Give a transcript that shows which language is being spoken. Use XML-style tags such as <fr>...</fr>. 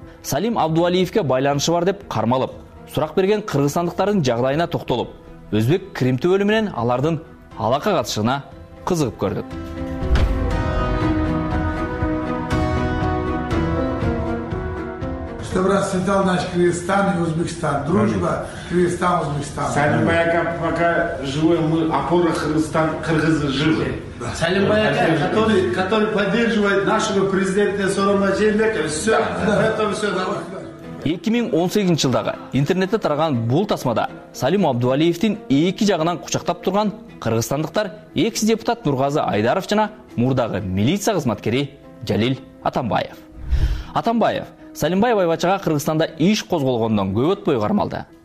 <ky>Салим Абдувалиевке байланышы бар деп кармалып, сурак берген кыргызстандыктардын жагдайына токтолуп, өзбек Крим төбөлү менен алардын алака катышына кызыгып көрдүк.</ky> <ru>Чтобы расцветал наш Кыргызстан и Узбекистан. Дружба, Кыргызстан, Узбекистан. Салимбай ака, пока живой, мы опора Кыргызстан, кыргызы живы. Салимбай ака, который поддерживает нашего президента Сооронбай Жээнбеков. Все, это все.</ru> <ky>2018 жылдагы интернетте тараган бул тасмада Салим Абдувалиевдин эки жагынан кучактап турган кыргызстандыктар экс-депутат Нургазы Айдаров жана мурдагы милиция кызматкери Жалил Атамбаев. Атамбаев Салимбай Байбачага Кыргызстанда иш козголгондон көп өтпөй кармалды.</ky>